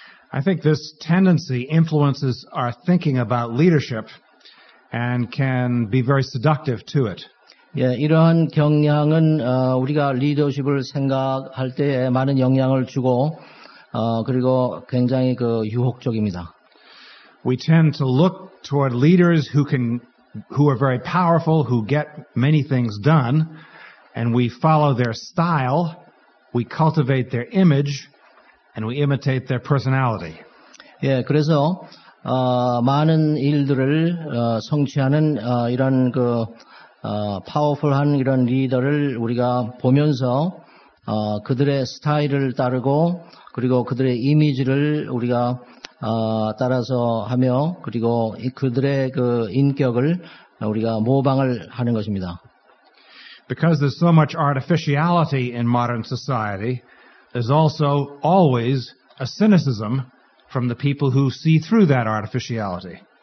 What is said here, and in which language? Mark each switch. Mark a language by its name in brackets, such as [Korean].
[English] I think this tendency influences our thinking about leadership and can be very seductive to it. [Korean] 예, 이러한 경향은 우리가 리더십을 생각할 때에 많은 영향을 주고 그리고 굉장히 그 유혹적입니다. [English] We tend to look toward leaders who are very powerful, who get many things done, and we follow their style, we cultivate their image, and we imitate their personality. [Korean] 예, 그래서 많은 일들을 성취하는 이런 그 파워풀한 이런 리더를 우리가 보면서 그들의 스타일을 따르고 그리고 그들의 이미지를 우리가 따라서 하며 그리고 그들의 그 인격을 우리가 모방을 하는 것입니다. [English] Because there's so much artificiality in modern society, there's also always a cynicism from the people who see through that artificiality.